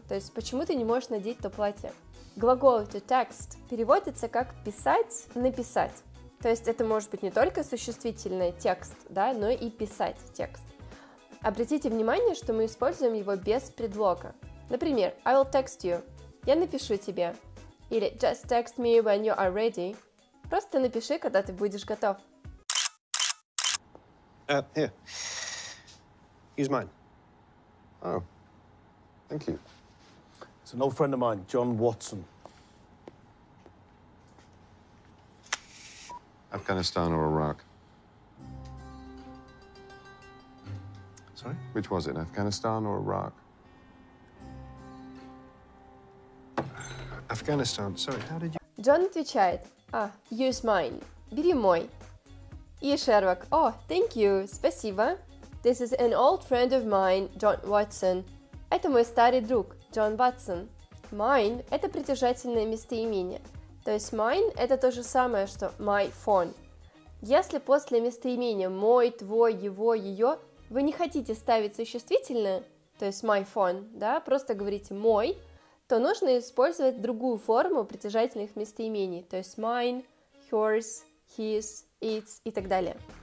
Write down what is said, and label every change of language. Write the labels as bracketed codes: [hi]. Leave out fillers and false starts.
[ru] То есть, почему ты не можешь надеть то платье? Глагол «to text» переводится как «писать», «написать». То есть, это может быть не только существительный текст, да, но и писать текст. Обратите внимание, что мы используем его без предлога. Например, [en] I will text you. [ru] Я напишу тебе. Или [en] just text me when you are ready. [ru] Просто напиши, когда ты будешь готов. [en] Here. Use mine. Oh. Thank you. It's an old friend of mine, John Watson. Afghanistan or Iraq? Sorry? Which was it, Afghanistan or Iraq? Afghanistan. Sorry, how did you... [ru] Джон отвечает: а, [en] use mine. [ru] Бери мой. И Шерлок: о, [en] oh, thank you. [ru] Спасибо. [en] This is an old friend of mine, John Watson. [ru] Это мой старый друг, Джон Ватсон. [en] Mine [ru] – это притяжательное местоимение. То есть mine – это то же самое, что [en] my phone. [ru] Если после местоимения мой, твой, его, ее вы не хотите ставить существительное, то есть my phone, да, просто говорите мой, то нужно использовать другую форму притяжательных местоимений, то есть [en] mine, hers, his, its [ru] и так далее.